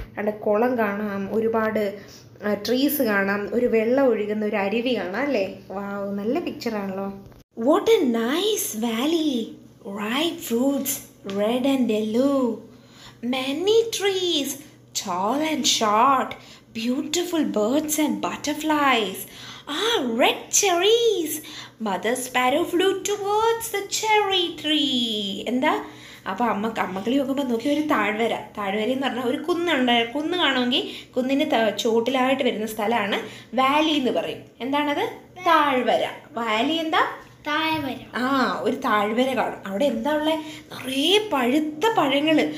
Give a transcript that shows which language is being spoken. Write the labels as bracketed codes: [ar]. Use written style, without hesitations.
[ml] അണ്ട് കുളം കാണാം, ഒരുപാട് ട്രീസ് കാണാം, ഒരു വെള്ളം ഒഴുകുന്ന ഒരു അരുവി കാണാം അല്ലേ. വാ നല്ല പിക്ചറാണല്ലോ. [en] What a nice valley, ripe fruits red and yellow, many trees tall and short, beautiful birds and butterflies. Ah, red cherries! Mother sparrow flew towards the cherry tree. [ml] എന്താ? അപ്പോൾ അമ്മക്കിളി നോക്കുമ്പോൾ നോക്കി ഒരു താഴ്വര. താഴ്വര എന്ന് പറഞ്ഞാൽ ഒരു കുന്നുണ്ട്, കുന്ന് കാണുമെങ്കിൽ കുന്നിൻ്റെ ചോട്ടിലായിട്ട് വരുന്ന സ്ഥലമാണ് വാലി എന്ന് പറയും. എന്താണത്? താഴ്വര. വാലി എന്താ? താഴ്വര. ആ ഒരു താഴ്വര കാണും. അവിടെ എന്താ ഉള്ളത്? നിറയെ പഴുത്ത പഴങ്ങൾ.